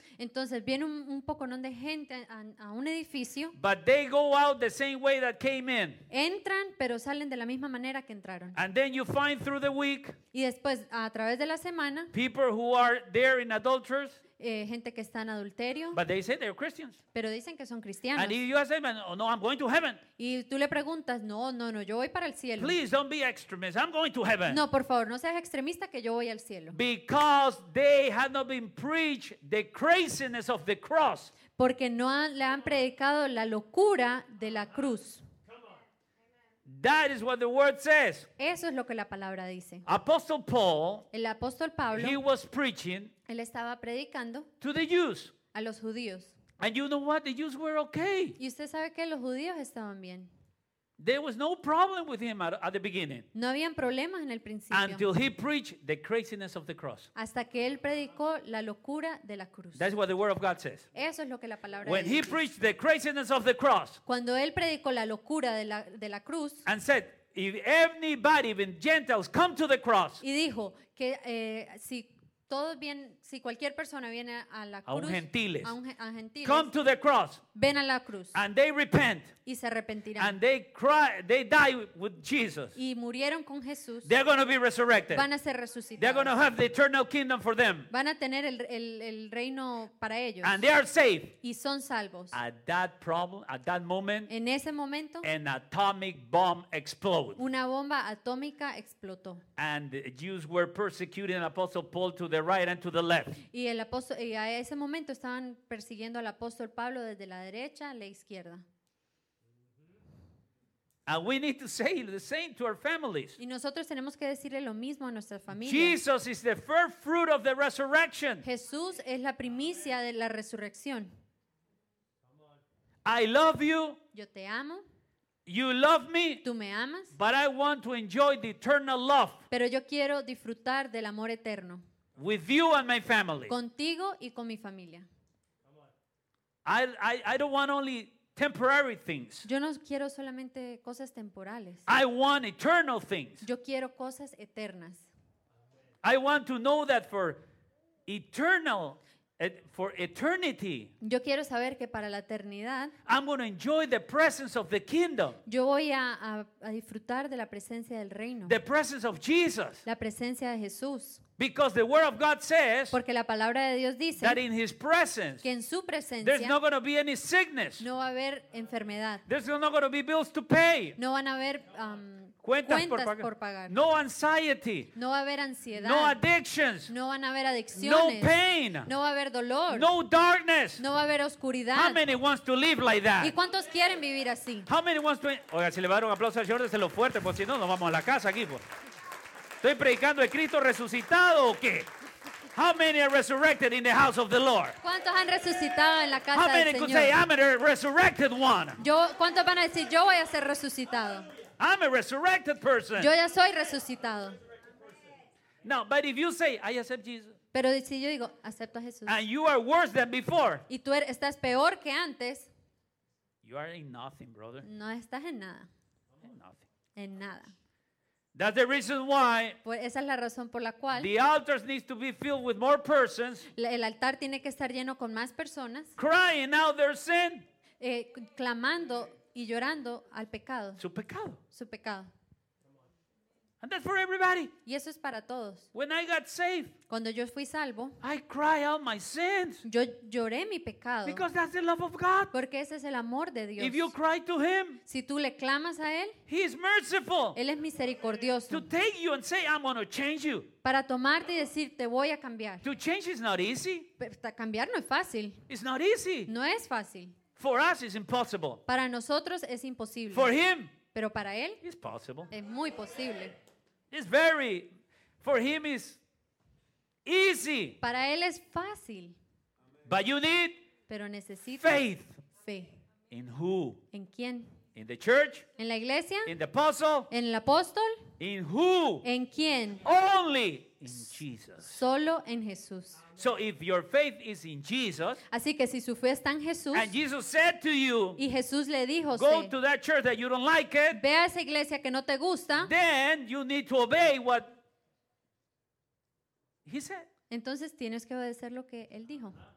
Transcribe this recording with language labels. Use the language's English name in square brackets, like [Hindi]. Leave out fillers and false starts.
[Spanish] Entonces viene un poconón de gente a un edificio. [English] But they go out the same way that came in. [Spanish] Entran, pero salen de la misma manera que entraron. [English] And then you find through the week. [Spanish] Y después a través de la semana. [English] People who are there in adulterers. [Spanish] Gente que está en adulterio. [English] But they say they're Christians. [Spanish] Pero dicen que son cristianos. [English] And if you ask them, oh, no, I'm going to heaven. [Spanish] Y tú le preguntas, no, yo voy para el cielo. [English] Please don't be extremist. I'm going to heaven. [Spanish] No, por favor, no seas extremista que yo voy al cielo. [English] Because they have not been preached the craziness of the cross. [Spanish] Porque no le han predicado la locura de la cruz. [English] That is what the word says. [Spanish] Eso es lo que la palabra dice. [English] Apostle Paul, [Spanish] el apóstol Pablo, [English] he was preaching. [Spanish] Él estaba predicando [English] to the Jews. [Spanish] A los judíos. [English] And you know what? The Jews were okay. [Spanish] Y usted sabe que los judíos estaban bien. [English] There was no problem with him at the beginning. [Spanish] No habían problemas en el principio. [English] Until he preached the craziness of the cross. [Spanish] Hasta que él predicó la locura de la cruz. [English] That's what the word of God says. [Spanish] Eso es lo que la palabra dice. [English] When he preached the craziness of the cross. [Spanish] Cuando él predicó la locura de la cruz. [English] And said, if anybody, even Gentiles, come to the cross. [Spanish] Y dijo que si todos vienen, si cualquier persona viene a la cruz, a un gentiles, [English] come to the cross, [Spanish] ven a la cruz, [English] and they repent, [Spanish] y se arrepentirán, [English] and they cry, they die with Jesus, [Spanish] y murieron con Jesús, [English] they're going to be resurrected, [Spanish] van a ser resucitados, [English] they're going to have the eternal kingdom for them, [Spanish] van a tener el reino para ellos, [English] and they are safe, [Spanish] y son salvos. [English] At that problem, at that moment, [Spanish] en ese momento, [English] an atomic bomb exploded, [Spanish] una bomba atómica explotó, [English] and the Jews were persecuting Apostle Paul to the right and to the left. [Spanish] Y el apóstol, y a ese momento estaban persiguiendo al apóstol Pablo desde la derecha a la izquierda. [English] And we need to say the same to our families. [Spanish] Y nosotros tenemos que decirle lo mismo a nuestras familias. [English] Jesus is the first fruit of the resurrection. [Spanish] Jesús es la primicia de la resurrección. [English] I love you. [Spanish] Yo te amo. [English] You love me. [Spanish] Tú me amas. [English] But I want to enjoy the eternal love. [Spanish] Pero yo quiero disfrutar del amor eterno. [English] With you and my family. [Spanish] Contigo y con mi familia. [English] I don't want only temporary things. [Spanish] Yo no quiero solamente cosas temporales. [English] I want eternal things. [Spanish] Yo quiero cosas eternas. [English] I want to know that for eternity. [Spanish] Yo quiero saber que para la eternidad. [English] I'm going to enjoy the presence of the kingdom. [Spanish] Yo voy a disfrutar de la presencia del reino. [English] The presence of Jesus. [Spanish] La presencia de Jesús. [English] Because the word of God says, [Spanish] porque la palabra de Dios dice, [English] that in His presence, [Spanish] que en su presencia, [English] there's not going to be any sickness. [Spanish] No va a haber enfermedad. [English] There's not going to be bills to pay. [Spanish] No van a haber cuentas por pagar. [English] No anxiety. [Spanish] No va a haber ansiedad. [English] No addictions. [Spanish] No van a haber adicciones. [English] No pain. [Spanish] No va a haber dolor. [English] No darkness. [Spanish] No va a haber oscuridad. [English] How many wants to live like that? [Spanish] ¿Y cuántos quieren vivir así? [English] How many wants to? [Spanish] Oiga, si le va a dar un aplauso al Señor, déselo fuerte, porque si no, nos vamos a la casa aquí, pues. ¿Estoy predicando el Cristo resucitado o qué? [English] How many are resurrected in the house of the Lord? [Spanish] ¿Cuántos han resucitado en la casa del [English] How many could say I'm a resurrected one? [Spanish] Yo, ¿cuántos van a decir yo voy a ser resucitado? [English] I'm a resurrected person. [Spanish] Yo ya soy resucitado. [English] No, but if you say I accept Jesus. [Spanish] Pero si yo digo acepto a Jesús. [English] And you are worse than before. [Spanish] Y tú estás peor que antes. [English] You are in nothing, brother. [Spanish] No estás en nada. [English] In nothing. [Spanish] En nada. [English] That's the reason why. [Spanish] Pues esa es la razón por la cual. [English] The altars needs to be filled with more persons. [Spanish] El altar tiene que estar lleno con más personas. [English] Crying out their sin. [Spanish] Clamando y llorando al pecado. Su pecado. Su pecado. [English] And that's for everybody. [Spanish] Y eso es para todos. [English] When I got saved. [Spanish] Cuando yo fui salvo. [English] I cry out my sins. [Spanish] Yo lloré mi pecado. [English] Because that's the love of God. [Spanish] Porque ese es el amor de Dios. [English] If you cry to Him. [Spanish] Si tú le clamas a Él. [English] He is merciful. [Spanish] Él es misericordioso. [English] To take you and say, I'm going to change you. [Spanish] Para tomarte y decir, te voy a cambiar. [English] To change is not easy. [Spanish] Cambiar no es fácil. [English] It's not easy. [Spanish] No es fácil. [English] For us, it's impossible. [Spanish] Para nosotros es imposible. [English] For Him. [Spanish] Pero para Él [English] it's possible. [Spanish] Es muy posible. [English] It's very, for Him is easy. [Spanish] Para Él es fácil. [English] But you need [Spanish] pero necesitas [English] faith. [Spanish] Fe. [English] In who? [Spanish] ¿En quién? [English] In the church? [Spanish] ¿En la iglesia? [English] In the apostle? [Spanish] ¿En el apóstol? [English] In who? [Spanish] ¿En quién? [English] Only in Jesus. [Spanish] Solo en Jesús. [English] So if your faith is in Jesus, [Spanish] así que si su fe está en Jesús, [English] and Jesus said to you, [Spanish] y Jesús le dijo, [English] go to that church that you don't like it, [Spanish] ve a esa iglesia que no te gusta, [English] then you need to obey what He said. [Spanish] Entonces tienes que obedecer lo que Él dijo.